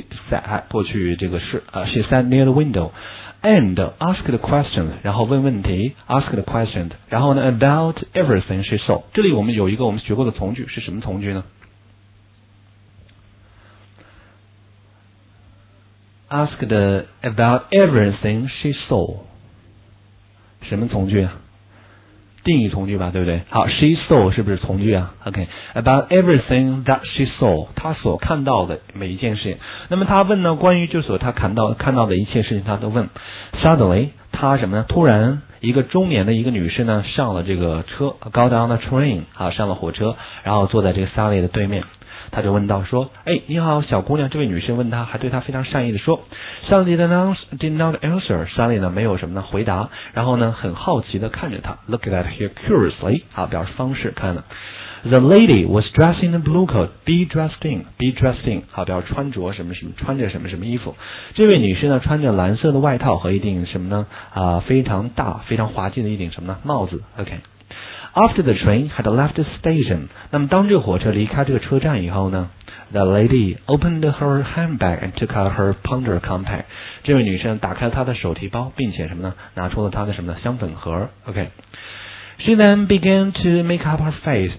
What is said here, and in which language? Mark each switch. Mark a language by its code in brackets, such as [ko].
[en] Sat [zh] 过去这个是 [en] She sat near the window and asked questions， [zh] 然后问问题 [en] ，asked questions， [zh] 然后呢 [en] about everything she saw。 [zh] 这里我们有一个我们学过的从句，是什么从句呢？ [en] Asked about everything she saw， [zh] 什么从句啊？定语从句吧，对不对？好 ，she saw 是不是从句啊 ？OK， [en] about everything that she saw， [zh] 她所看到的每一件事情。那么她问呢，关于就所她看到的一切事情，她都问。 Suddenly， 她什么呢？突然，一个中年的一个女士呢，上了这个车 ， [en] got on the train， [zh] 好，上了火车，然后坐在这个 Sally 的对面。他就问到说，哎，你好，小姑娘。这位女生问他，还对他非常善意的说 ， [en] Sally did not answer。 [zh] Sally 呢，没有什么呢回答，然后呢，很好奇的看着他 ， [en] look at her curiously， [zh] 好，表示方式看了。 [en] The lady was dressed in a blue coat. Be dressed in. [zh] 好，表示穿着什么什么，穿着什么什么衣服。这位女士呢，穿着蓝色的外套和一顶什么呢？非常大、非常滑稽的一顶什么呢？帽子。OK。 [en] After the train had left the station， [zh] 那么当这个火车离开这个车站以后呢 [en] ，The lady opened her handbag and took out her powder compact。 [zh] 这位女生打开了她的手提包，并且什么呢？拿出了她的什么呢？香粉盒。OK。 [en] She then began to make up her face。